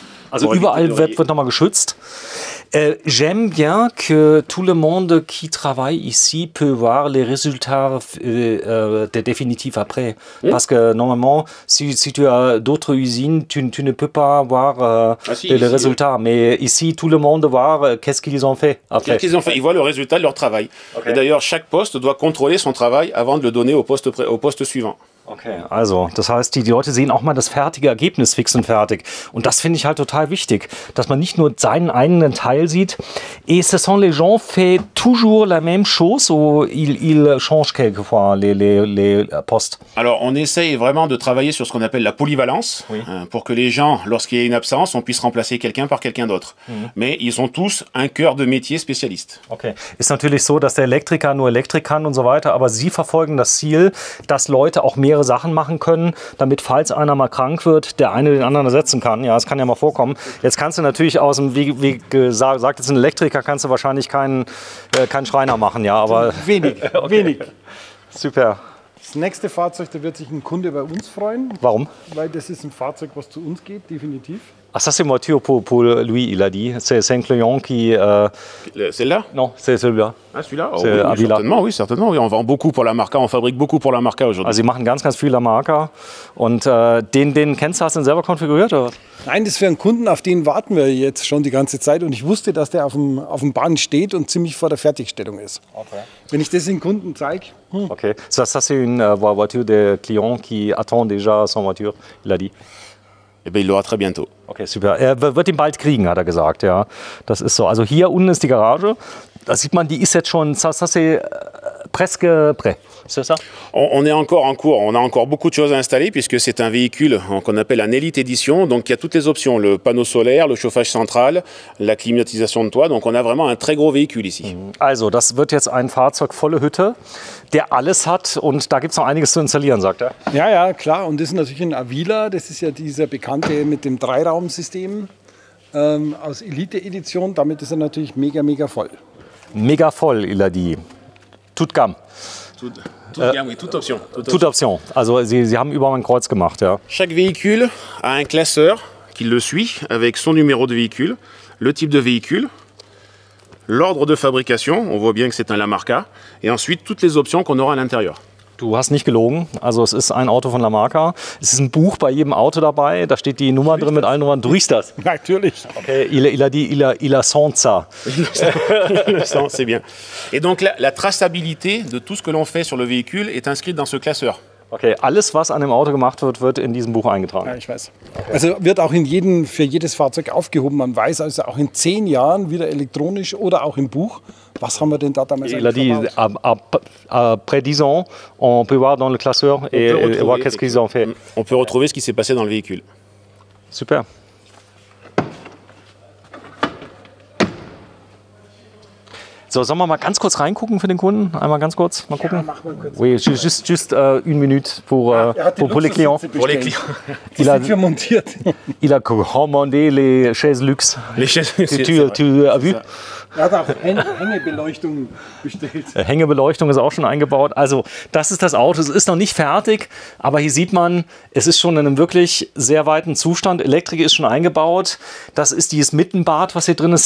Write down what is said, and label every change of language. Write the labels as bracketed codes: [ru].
[de] Also überall wird nochmal geschützt. [fr] J'aime bien que tout le monde qui travaille ici peut voir les résultats définitifs après. Mm. Parce que normalement, si tu as d'autres usines, tu ne peux pas voir les résultats. Mais ici, tout le monde voit qu'est-ce qu'ils ont fait après. Qu'est-ce qu'ils ont fait? Ils voient le résultat de leur travail. Okay. Et d'ailleurs, chaque poste doit contrôler son travail avant de le donner au poste suivant. [de] Okay, also, das heißt, die Leute sehen auch mal das fertige Ergebnis fix und fertig. Und das finde ich halt total wichtig, dass man nicht nur seinen eigenen Teil sieht. [fr] Et ce sont les gens fait toujours la même chose ou ils changent quelquefois les postes? Alors, on essaye vraiment de travailler sur ce qu'on appelle la polyvalence, pour que les gens, lorsqu'il y a une absence, on puisse remplacer quelqu'un par quelqu'un d'autre. Mm-hmm. Mais ils ont tous un cœur de métier spécialiste. [de] Okay, ist natürlich so, dass der Elektriker nur Elektrik kann und so weiter, aber sie verfolgen das Ziel, dass Leute auch mehr Sachen machen können, damit falls einer mal krank wird, der eine den anderen ersetzen kann. Ja, das kann ja mal vorkommen. Jetzt kannst du natürlich aus dem, wie gesagt, jetzt ein Elektriker, kannst du wahrscheinlich keinen Schreiner machen, ja, aber... Wenig, okay. Wenig. Super. Das nächste Fahrzeug, da wird sich ein Kunde bei uns freuen. Warum? Weil das ist ein Fahrzeug, was zu uns geht, definitiv. [fr] Ah, ça, c'est moitié pour lui, il a dit. C'est un client qui... Celle-là? Non, c'est celui-là. Ah, celui-là? Oh, c'est oui, Avila. Certainement, oui, certainement. Oui, on vend beaucoup pour la Marca, on fabrique beaucoup pour la Marca aujourd'hui. [de] Also, [fr] ils [de] machen ganz, ganz viel la Marca. Und den kennst du, hast du den selber konfiguriert? Oder? Nein, das ist für einen Kunden, auf den warten wir jetzt schon die ganze Zeit. Und ich wusste, dass der auf dem Band steht und ziemlich vor der Fertigstellung ist. Okay. Wenn ich das den Kunden zeige... Hm. [fr] Okay, so, ça, c'est une voiture de client qui attend déjà son voiture, il a dit. Eh bien, il l'aura très bientôt. Okay, super. [de] Er wird ihn bald kriegen, hat er gesagt, ja. Das ist so. Also hier unten ist die Garage. Da sieht man, die ist jetzt schon, [fr] ça, ça c'est presque prêt. C'est ça? On est encore en cours. On a encore beaucoup de choses à installer puisque c'est un véhicule qu'on appelle un Elite Edition. Donc, il y a toutes les options. Le panneau solaire, le chauffage central, la climatisation de toit. Donc, on a vraiment un très gros véhicule ici. [de] Also, das wird jetzt ein Fahrzeug volle Hütte, der alles hat. Und da gibt es noch einiges zu installieren, sagt er. Ja, ja, klar. Und das ist natürlich ein Avila. Das ist ja dieser bekannte mit dem Dreiraumsystem aus Elite Edition. Damit ist er natürlich mega, mega voll. Mega voll, [fr] il a dit. Tout gamme. Toute option. [de] Also, Sie haben überall ein Kreuz gemacht, ja. [fr] Chaque véhicule a un classeur qui le suit avec son numéro de véhicule, le type de véhicule, l'ordre de fabrication, on voit bien que c'est un La Marca, et ensuite toutes les options qu'on aura à l'intérieur. [de] Du hast nicht gelogen. Also es ist ein Auto von La Marca. Es ist ein Buch bei jedem Auto dabei. Da steht die Nummer drin mit allen Nummern. Du riechst das? Natürlich. [fr] Okay. Il a senza. Il a senza, c'est bien. Et donc la traçabilité de tout ce que l'on fait sur le véhicule est inscrite dans ce classeur. [de] Okay, alles, was an dem Auto gemacht wird, wird in diesem Buch eingetragen. Ja, ich weiß. Okay. Also wird auch für jedes Fahrzeug aufgehoben. Man weiß also auch in 10 Jahren wieder elektronisch oder auch im Buch, was haben wir denn da damals eigentlich gemacht. [fr] Il a dit, après 10 ans, on peut voir dans le classeur et voir qu'est-ce qu'ils ont fait. On peut retrouver ce qui s'est passé dans le véhicule. Super. [de] So, sollen wir mal ganz kurz reingucken für den Kunden? Einmal ganz kurz, mal gucken. Ja, machen wir kurz. [fr] Oui, just une minute pour les clients. Pour les clients. [de] Die sind für montiert. [fr] Il a commandé les chaises luxe. Les chaises luxe. Tu as vu? [de] Er hat auch Hängebeleuchtung bestellt. Hängebeleuchtung ist auch schon eingebaut. Also, das ist das Auto. Es ist noch nicht fertig, aber hier sieht man, es ist schon in einem wirklich sehr weiten Zustand. Elektrik ist schon eingebaut. Das ist dieses Mittenbad, was hier drin ist.